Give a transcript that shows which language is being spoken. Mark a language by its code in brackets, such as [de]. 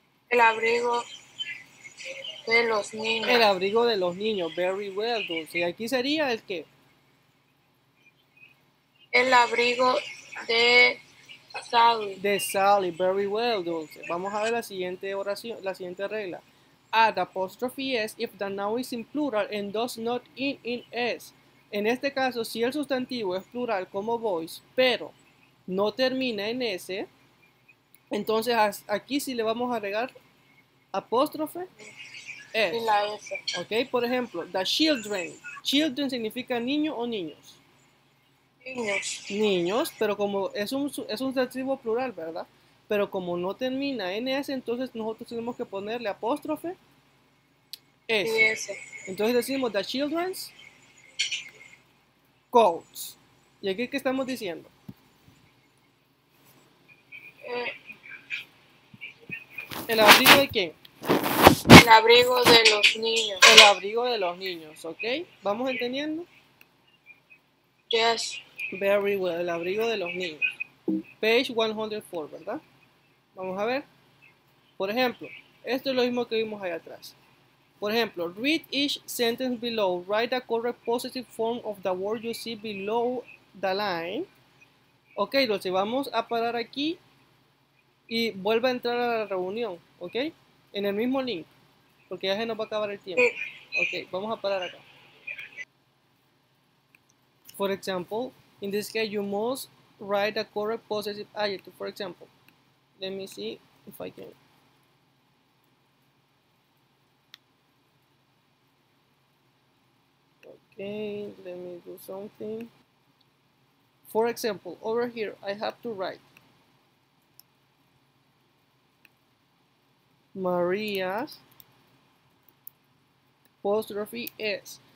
[es] El abrigo de los niños. El abrigo de los niños. [en] Very well, [es] Dulce. ¿Y aquí sería el qué? El abrigo de Sally. De Sally. [en] Very well, [es] Dulce. Vamos a ver la siguiente oración, la siguiente regla. [en] Add apostrophe S if the noun is in plural and does not end in S. [es] En este caso, si el sustantivo es plural como boys, pero no termina en S, entonces aquí sí le vamos a agregar apóstrofe S. Y la S. Ok, por ejemplo, the children. Children significa niño o niños. Niños. Niños, pero como es un sustantivo plural, ¿verdad? Pero como no termina en S, entonces nosotros tenemos que ponerle apóstrofe S. Y S. Entonces decimos [en] the children's coats. [es] ¿Y aquí qué estamos diciendo? ¿El abrigo de quién? El abrigo de los niños. El abrigo de los niños, ¿ok? ¿Vamos entendiendo? [en] Yes. Very well, [es] el abrigo de los niños. [en] Page 104, [es] ¿verdad? Vamos a ver. Por ejemplo, esto es lo mismo que vimos ahí atrás. Por ejemplo, [en] read each sentence below. Write the correct positive form of the word you see below the line. [es] Ok, lo llevamos a parar aquí. Y vuelve a entrar a la reunión, ¿ok? En el mismo link, porque ya se nos va a acabar el tiempo. Ok, vamos a parar acá. [en] For example, in this case, you must write a correct possessive adjective. For example, let me see if I can. Ok, let me do something. For example, over here, I have to write Maria's apostrophe S.